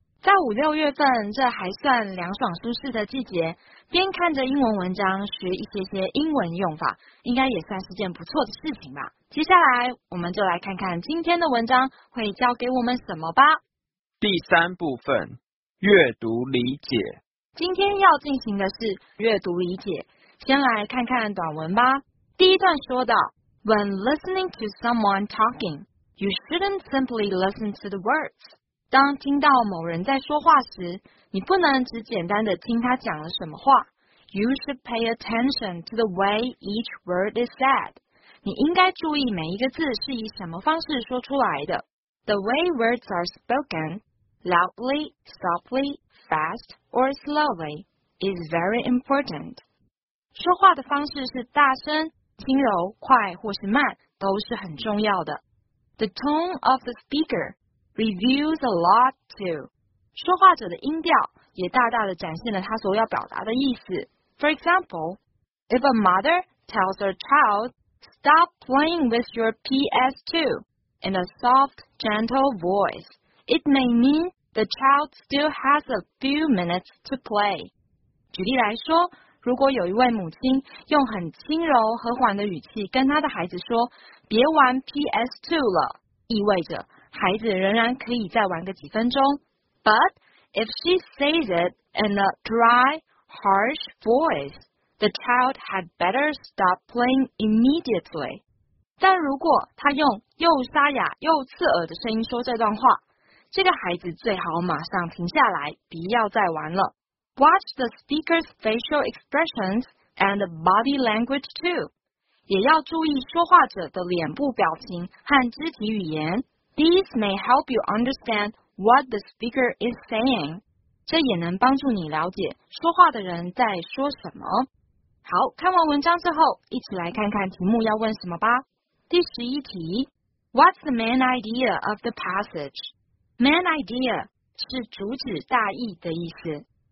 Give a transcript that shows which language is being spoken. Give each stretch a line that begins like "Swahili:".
Chinese: 在五六月份，这还算凉爽舒适的季节，边看着英文文章学一些些英文用法，应该也算是件不错的事情吧。接下来我们就来看看今天的文章会教给我们什么吧。第三部分，阅读理解。今天要进行的是阅读理解，先来看看短文吧。
English: 第一段说到， When listening to someone talking,You shouldn't simply listen to the words.
Chinese: 当听到某人在说话时，你不能只简单的听他讲了什么话。
English: You should pay attention to the way each word is said.
Chinese: 你应该注意每一个字是以什么方式说出来的。
English: The way words are spoken, loudly, softly, fast, or slowly, is very important.
Chinese: 说话的方式是大声、轻柔、快或是慢，都是很重要的。
English: The tone of the speaker reveals a lot too.
Chinese: 说话者的音调也大大的展现了他所要表达的意思。
English: For example, if a mother tells her child, "Stop playing with your PS2," in a soft, gentle voice, it may mean the child still has a few minutes to play.
Chinese: 举例来说，如果有一位母亲用很轻柔和缓的语气跟她的孩子说，别玩 PS2 了，意味着孩子仍然可以再玩个几分钟。
English: But if she says it in a dry, harsh voice, the child had better stop playing immediately.
Chinese: 但如果她用又沙哑又刺耳的声音说这段话，这个孩子最好马上停下来，不要再玩了。
English: Watch the speaker's facial expressions and body language too.
Chinese: 也要注意说话者的脸部表情和肢体语言。
English: These may help you understand what the speaker is saying.
Chinese: 这也能帮助你了解说话的人在说什么。好，看完文章之后，一起来看看题目要问什么吧。
English: 第十一题， What's the main idea of the passage?
Chinese: Main idea 是主旨大意的意思。